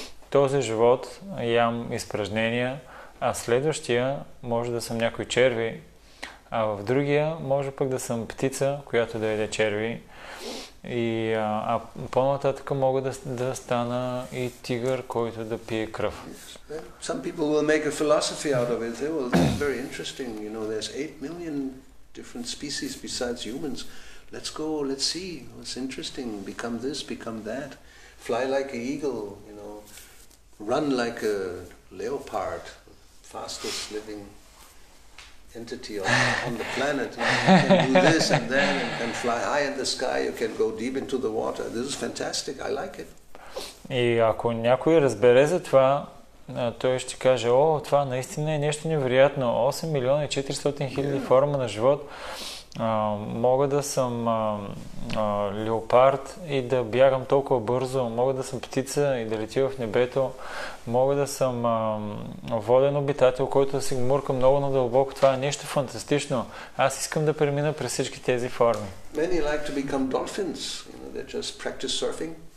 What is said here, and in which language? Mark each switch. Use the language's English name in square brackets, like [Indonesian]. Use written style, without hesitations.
[Bulgarian] Този живот ям изпражнения, а следващия може да съм някой черви, а в другия може пък да съм птица, която да яде черви. И по-нататък мога да стана и тигър, който да пие кръв. [English] Some people will make a philosophy out of it. They will think, very interesting, you know, there's 8 million different species besides humans. Let's go, let's see what's interesting. Become this, become that. Fly like an eagle, you know. Run like a leopard. Fastest living entity on the planet. You can do this and that, you can fly high in the sky, you can go deep into the water. This is fantastic, I like it. [Bulgarian] И ако някой разбере за това, той ще каже, о, това наистина е нещо невероятно. 8 милиона и 400 хиляди форма на живот. Мога да съм леопард и да бягам толкова бързо, мога да съм птица и да летя в небето, мога да съм воден обитател, който да си мурка много надълбоко. Това е нещо фантастично. Аз искам да премина през всички тези форми. [English] Many like to become dolphins, you know, they just practice surfing.